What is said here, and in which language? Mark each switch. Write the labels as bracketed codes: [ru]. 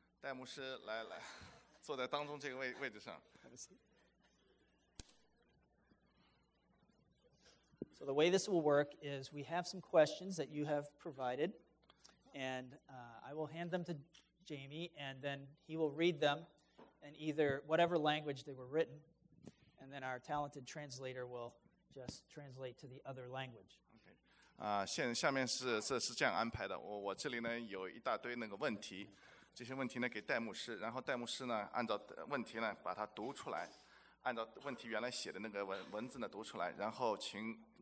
[zh] 戴牧师，来来，坐在当中这个位置上。 [en] So the way this will work is we have some questions that you have provided, and I will hand them to Jamie, and then he will read them in either whatever language they were written, and then our talented translator will just translate to the other language. Okay. [zh] 下面是这是这样安排的。我这里呢有一大堆那个问题，这些问题呢给戴牧师，然后戴牧师呢按照问题呢把它读出来，按照问题原来写的那个文字呢读出来，然后请。